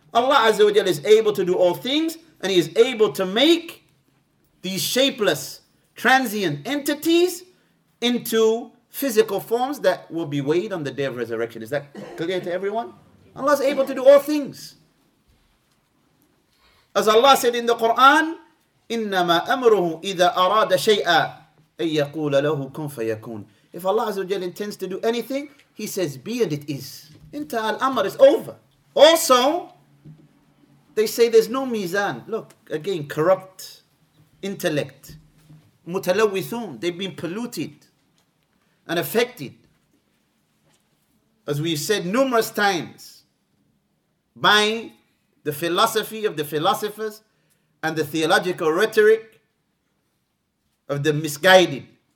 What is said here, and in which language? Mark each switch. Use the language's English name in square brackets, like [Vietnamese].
[English] Allah Azza wa Jalla is able to do all things, and He is able to make these shapeless, transient entities into physical forms that will be weighed on the day of resurrection. Is that clear to everyone? Allah is able to do all things. As Allah said in the Quran, [Arabic] إِنَّمَا أَمْرُهُ إِذَا أَرَادَ شَيْئًا أَن يَقُولَ لَهُ كُنْ فَيَكُونَ. [English] If Allah Azza wa Jalla intends to do anything, He says, be and it is. [Arabic] Inta al-amr [English] is over. Also, they say there's no mizan. Look, again, corrupt intellect. Mutalawithun. They've been polluted and affected. As we've said numerous times, by the philosophy of the philosophers and the theological rhetoric of the misguided.